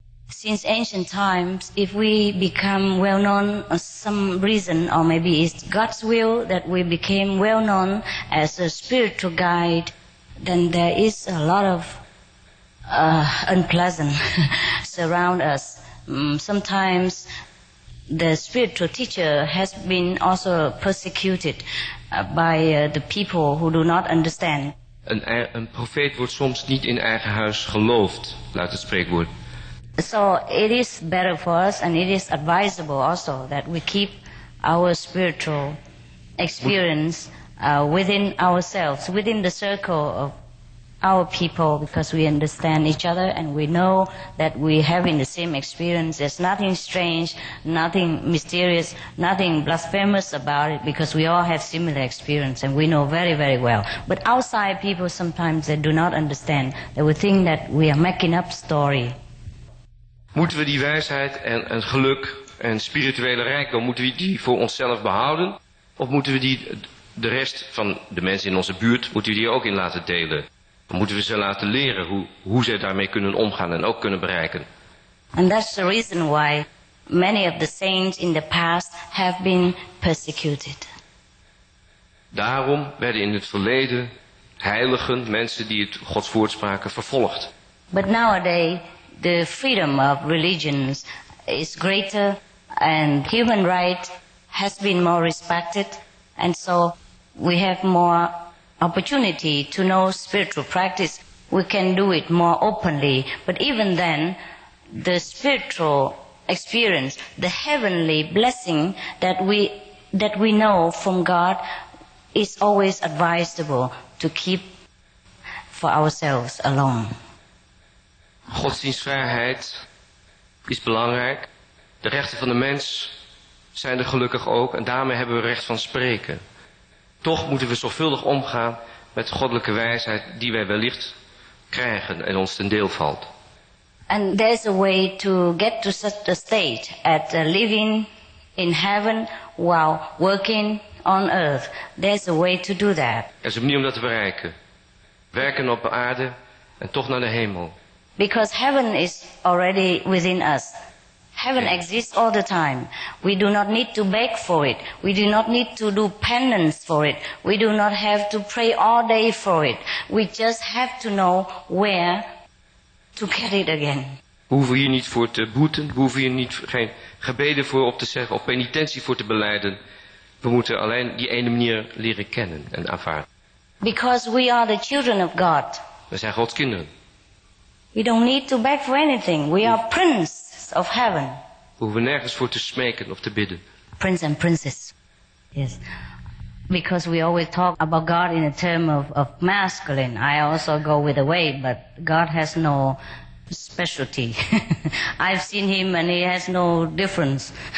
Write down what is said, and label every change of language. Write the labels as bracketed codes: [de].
[en] Since ancient times, if we become well known for some reason, or maybe it's God's will that we became well known as a spiritual guide, then there is a lot of unpleasant surround us. Sometimes the spiritual teacher has been also persecuted by the people who do not understand. [nl] Een profeet wordt soms niet in eigen huis geloofd, luidt het spreekwoord. [en] So it is better for us, and it is advisable also that we keep our spiritual experience within ourselves, within the circle of our people, because we understand each other and we know that we have the same experience. There's nothing strange, nothing mysterious, nothing blasphemous about it, because we all have similar experience and we know very, very well. But outside people sometimes they do not understand. They will think that we are making up story. [nl] Moeten we die wijsheid en geluk en spirituele rijkdom, moeten we die voor onszelf behouden? Of moeten we die de rest van de mensen in onze buurt, moeten we die ook in laten delen? Moeten we ze laten leren hoe ze daarmee kunnen omgaan en ook kunnen bereiken? [en] And that's the reason why many of the saints in the past have been persecuted. [nl] Daarom werden in het verleden heiligen, mensen die het Gods woord spraken, vervolgd. [en] But nowadays the freedom of religions is greater and human rights has been more respected, and so we have more opportunity to know spiritual practice. We can do it more openly, but even then the spiritual experience, the heavenly blessing that we know from God is always advisable to keep for ourselves alone. [nl] Godsdienstvrijheid is belangrijk. De rechten van de mens zijn er gelukkig ook. En daarmee hebben we recht van spreken. Toch moeten we zorgvuldig omgaan met de goddelijke wijsheid die wij wellicht krijgen en ons ten deel valt. [en] And there's a way to get to such a state at living in heaven while working on earth. There's a way to do that. [nl] Er is een manier om dat te bereiken. Werken op aarde en toch naar de hemel. [en] Because heaven is already within us. Heaven exists all the time. We do not need to beg for it. We do not need to do penance for it. We do not have to pray all day for it. We just have to know where to get it again. [nl] We hoeven hier niet voor te boeten. We hoeven hier niet geen gebeden voor op te zeggen of penitentie voor te beleiden. We moeten alleen die ene manier leren kennen en ervaren. [en] Because we are the children of God. [nl] We zijn Gods kinderen. [en] We don't need to beg for anything. We are prince. Of heaven. [nl] We hoeven nergens voor te smeken of te bidden. [en] Prince and princess. Yes. Because we always talk about God in a term of masculine. I also go with the way, but God has no specialty. I've seen him and he has no difference.